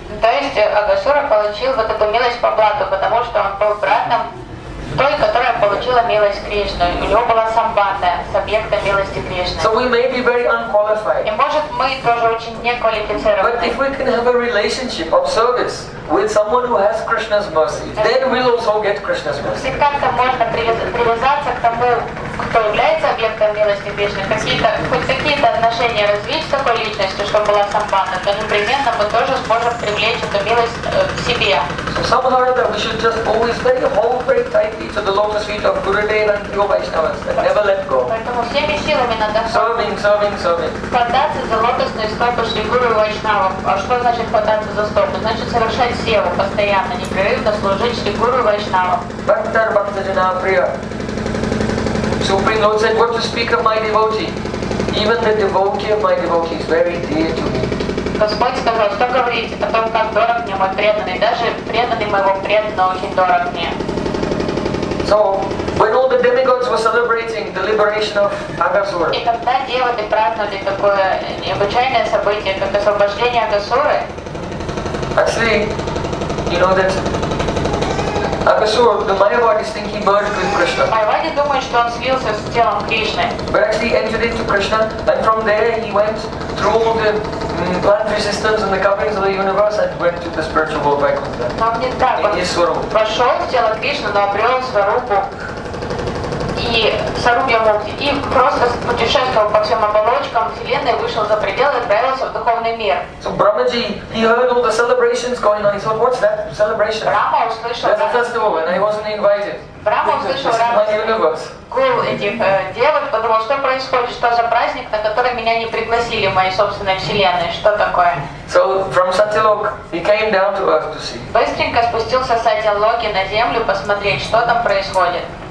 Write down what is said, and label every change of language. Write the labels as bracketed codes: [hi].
[ru] То есть Агасура получил вот эту милость по брату, потому что он был братом той, которая получила милость Кришны. У него была самбанда с объектом милости Кришны. [en] So we may be very unqualified. [ru] И может мы тоже очень неквалифицированы. [en] But if we can have a relationship of service with someone who has Krishna's mercy, then we'll also get Krishna's mercy. [ru] Если как-то можно привязаться к тому, кто является объектом милости Кришны, хоть какие-то отношения развить с такой личностью, чтобы была самбанда, то непременно мы тоже сможем привлечь эту милость к себе. [en] So somehow or other, we should just always play a whole very tightly to the lotus feet of Gurudev and Yoga Vaishnavas and never let go. [ru] Поэтому всеми силами надо [en] Serving. [ru] Хвататься за лотосные стопы Шри Гуру Вайшнавам. А что значит хвататься за стопы? Значит совершать севу постоянно, непрерывно служить Шри Гуру Вайшнавам. [sa] Бхактар Бхактаджана Прия. [en] Supreme Lord said, what to speak of my devotee? Even the devotee of my devotee is very dear to me. [ru] Господь сказал, что говорить о том, как дорог мне мой преданный, даже преданный моего преданного очень дорог мне. [en] So, when all the demigods were celebrating the liberation of Агасура, [ru] и когда девы праздновали такое необычайное событие, как освобождение Агасуры, [en] actually, you know that Агасур, the Майавади is thinking merged with Krishna. [ru] Майавади думает, что он слился с телом Кришны. [en] But actually entered into Krishna, and from there he went through all the plant resistance and the coverings of the universe and went to the spiritual world back with them. [ru] Но не так, он вошел в тело Кришны, но обрел сварупу и сарупья мукти, и просто путешествовал по всем оболочкам Вселенной, вышел за пределы и отправился в духовный мир. [en] So Brahmaji, he heard all the celebrations going on, he thought, what's that celebration? Brahma услышал. There's a festival and I wasn't invited. [ru] Брама услышал радость гул этих девок, подумал, что происходит, что за праздник, на который меня не пригласили в моей собственной вселенной, что такое? [en] So from Satyalok he came down to earth to see. [ru] Быстренько спустился Сатилоки на землю посмотреть, что там происходит.